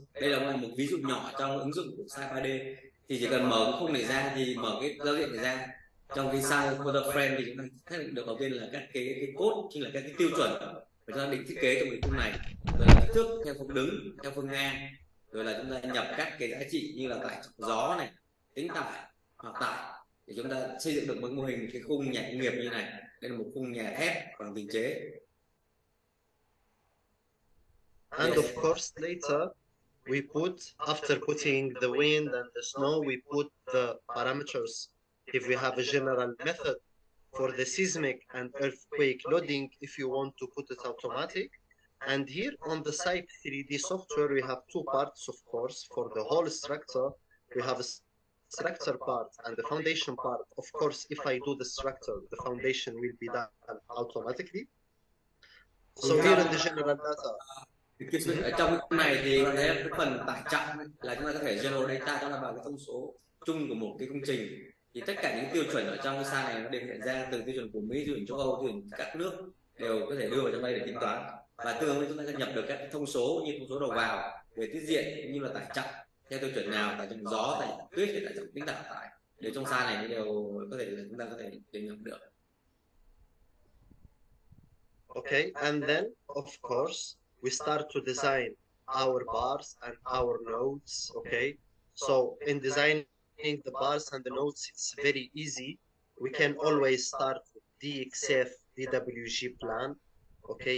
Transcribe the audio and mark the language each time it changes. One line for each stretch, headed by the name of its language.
Vietnamese: Đây là một ví dụ nhỏ trong ứng dụng của CYPE 3D. Thì chỉ cần mở cái khung này ra thì mở cái giao diện này ra trong cái size quarter frame thì chúng ta xác định được đầu tiên là các cái code, chính là các cái tiêu chuẩn để chúng ta định thiết kế trong cái khung này, rồi là kích thước theo phương đứng, theo phương ngang, rồi là chúng ta nhập các cái giá trị như là tải trọng gió này, tính tải hoặc tải để chúng ta xây dựng được một mô hình cái khung nhà công nghiệp như này. Đây là một khung nhà thép bằng tinh chế.
English: And of course later we put, after putting the wind and the snow, we put the parameters. If we have a general method for the seismic and earthquake loading, if you want to put it automatic. And here on the CYPE 3D software, we have two parts, of course, for the whole structure. We have a structure part and the foundation part. Of course, if I do the structure, the foundation will be done automatically. So here in the general data,
Vietnamese: ở trong cái này thì thấy cái phần tải trọng là chúng ta có thể
English: general data,
Vietnamese: đó là bằng cái thông số chung của một cái công trình. Thì tất cả những tiêu chuẩn ở trong cái site này nó đều hiện ra từ tiêu chuẩn của Mỹ, tiêu chuẩn châu Âu, tiêu chuẩn các nước đều có thể đưa vào trong đây để tính toán. Và tương ứng chúng ta sẽ nhập được các thông số như thông số đầu vào về tiết diện, như là tải trọng theo tiêu chuẩn nào, tải trọng gió, tải trọng tuyết, tải trọng tính tải tải đều trong site này đều có thể là chúng ta có thể tính nhập được.
English: Okay, and then of course we start to design our bars and our nodes, okay? So in designing the bars and the nodes, it's very easy. We can always start with DXF DWG plan, okay?